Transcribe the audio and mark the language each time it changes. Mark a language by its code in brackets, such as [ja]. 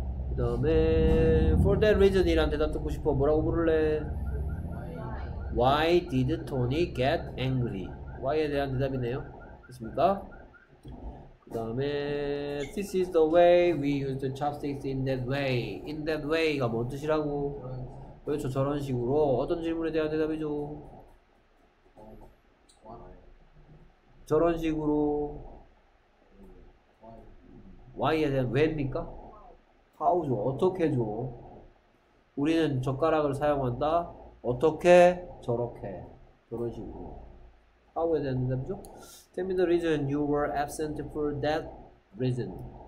[ko] 그다음에 [en] for that reason [ko] 이란 대답 듣고 싶어. 뭐라고 부를래? [en] Why did Tony get angry? Why에 [ko] 대한 대답이네요. 됐습니까? 그다음에 [en] This is the way we use the chopsticks in that way. In that way [ko] 가 뭔 뜻이라고? 그렇죠. 저런 식으로 어떤 질문에 대한 대답이죠. 저런 식으로 why에 대한 왜입니까? How죠. 어떻게죠. 우리는 젓가락을 사용한다. 어떻게? 저렇게. 저런 식으로 how에 대한 대답이죠. [en] Tell me the reason you were absent for that reason.